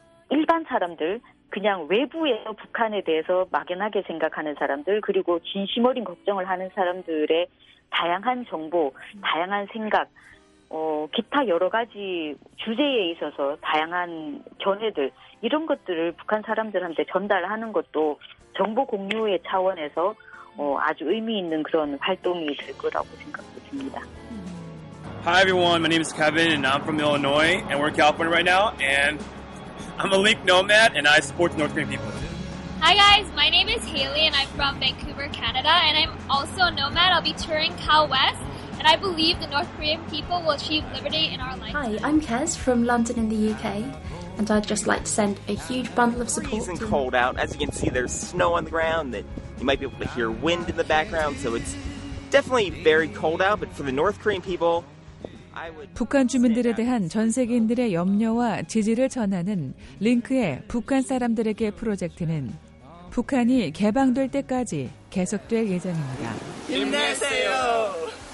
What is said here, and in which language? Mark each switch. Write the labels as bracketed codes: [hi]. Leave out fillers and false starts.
[ko] 일반 사람들, 그냥 외부에서 북한에 대해서 막연하게 생각하는 사람들, 그리고 진심 어린 걱정을 하는 사람들의 다양한 정보, 다양한 생각, 기타 여러 가지 주제에 있어서 다양한 견해들, 이런 것들을 북한 사람들한테 전달하는 것도 정보 공유의 차원에서 아주 의미 있는 그런 활동이 될 거라고 생각됩니다. [en] Hi everyone, my name is Kevin and I'm from Illinois and we're in California right now and I'm a Link Nomad and I support North Korean people. Hi guys, my name is Haley and I'm from Vancouver, Canada and I'm also a Nomad. I'll be touring Cal West and I believe the North Korean people will achieve liberty in our lifetime. Hi, I'm Kez from London in the UK and I'd just like to send a huge bundle of support. It's cold out. As you can see, there's snow on the ground that you might be able to hear wind in the background, so it's definitely very cold out, but for the North Korean people, [ko] 북한 주민들에 대한 전 세계인들의 염려와 지지를 전하는 링크의 북한 사람들에게 프로젝트는 북한이 개방될 때까지 계속될 예정입니다. 힘내세요!